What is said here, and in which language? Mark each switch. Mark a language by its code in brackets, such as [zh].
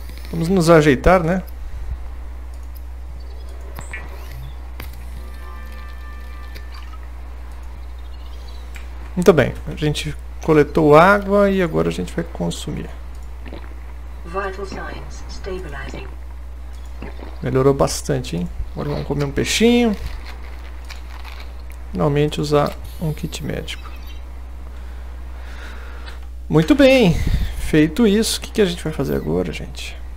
[pt] Vamos nos ajeitar, né? Muito bem. A gente coletou água e agora a gente vai consumir. [en] Vital signs stabilizing. [pt] Melhorou bastante, hein? Agora vamos comer um peixinho. Finalmente usar um kit médico. Muito bem, feito isso, o que que a gente vai fazer agora, gente?